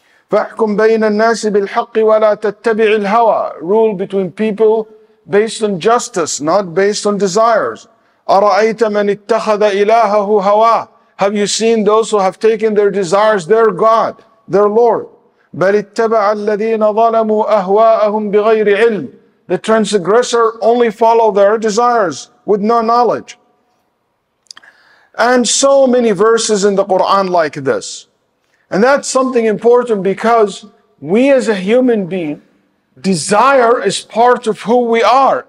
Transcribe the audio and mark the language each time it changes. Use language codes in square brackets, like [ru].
[ar] فَأْحْكُمْ بَيْنَ النَّاسِ بِالْحَقِّ وَلَا تَتَّبِعِ الْهَوَىٰ. [en] Rule between people based on justice, not based on desires. [ar] أَرَأَيْتَ مَنِ اتَّخَذَ إِلَاهَهُ هَوَىٰ. [en] Have you seen those who have taken their desires, their God, their Lord? [ar] بل اتبع الذين ظلموا أهواءهم بغير علم. [en] The transgressor only follow their desires with no knowledge. And so many verses in the Quran like this. And that's something important, because we as a human being, desire is part of who we are.